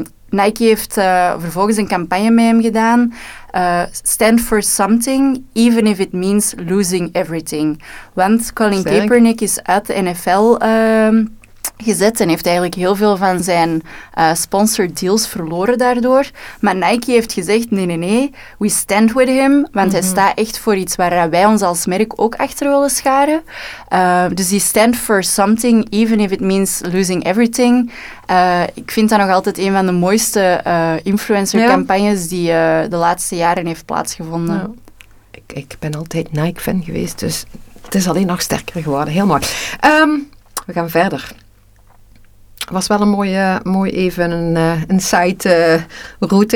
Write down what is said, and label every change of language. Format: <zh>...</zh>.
<nl>Nike heeft vervolgens een campagne met hem gedaan.</nl> <en>Stand for something, even if it means losing everything.</en> <nl>Want Colin Kaepernick is uit de NFL gezet en heeft eigenlijk heel veel van zijn sponsored deals verloren daardoor. Maar Nike heeft gezegd, nee,</nl> <en>we stand with him,</en> <nl>want hij staat echt voor iets waar wij ons als merk ook achter willen scharen. Dus die</nl> <en>stand for something, even if it means losing everything.</en> <nl>Ik vind dat nog altijd een van de mooiste influencercampagnes die de laatste jaren heeft plaatsgevonden. Ja. Ik ben altijd Nike-fan geweest, dus het is alleen nog sterker geworden. Heel mooi. We gaan verder. Het was wel een mooi even een side route.</nl>